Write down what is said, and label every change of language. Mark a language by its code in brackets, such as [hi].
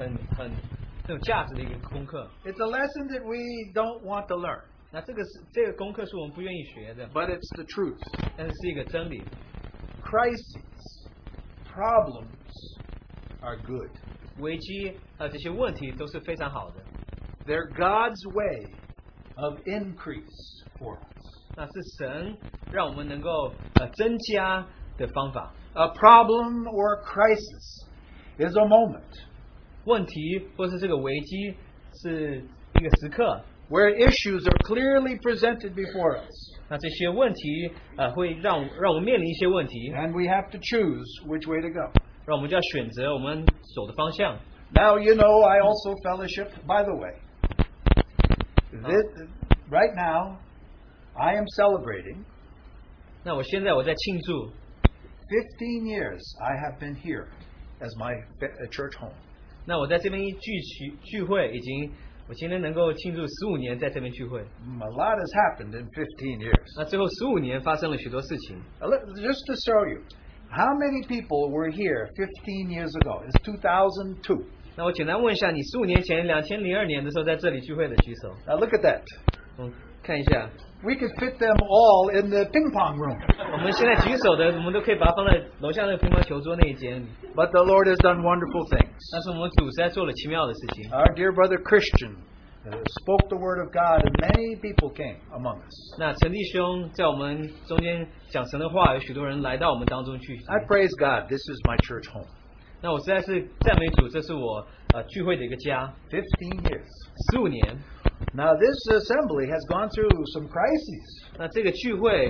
[zh] 那在下面我们看到一个很重要、很有价值的一个功课。 [en] It's a lesson that we don't want to learn. [zh] 那这个功课是我们不愿意学的。 [en] But it's the truth. [zh] 但是是一个真理。 [en] Crises, problems are good. [zh] 危机这些问题都是非常好的。 [en] They're God's way of increase for us. [zh] 那是神让我们能够增加的方法。 [en] A problem or a crisis is a moment. [zh] 问题或是这个危机是一个时刻。 [en] Where issues are clearly presented before us. [zh] 那这些问题会让我们面临一些问题。 [en] And we have to choose which way to go. [zh] 让我们就要选择我们走的方向。 [en] Now you know I also fellowship, by the way. This, right now, I am celebrating. [zh] 那我现在我在庆祝。 [en] 15 years I have been here as my church home. [zh] 那我在这边聚会已经 我今天能够庆祝15年在这边聚会。 [en] A lot has happened in 15 years. [zh] 那最后15年发生了许多事情。 [en] Just to show you, how many people were here 15 years ago? It's 2002. [zh] 那我简单问一下你15年前2002年的时候在这里聚会的举手。 [en] Now look at that. [zh] 看一下。 [en] We could fit them all in the ping pong room. [zh] 我们现在举手的，我们都可以把它放在楼下那个乒乓球桌那一间。 [en] But the Lord has done wonderful things. [zh] 但是我们主实在做了奇妙的事情。 [en] Our dear brother Christian spoke the word of God, and many people came among us. [zh] 那陈弟兄在我们中间讲神的话，有许多人来到我们当中去。 [en] I praise God. This is my church home. [zh] 那我实在是赞美主，这是我聚会的一个家。 [en] 15 years. [zh] 15年。 [en] Now this assembly has gone through some crises.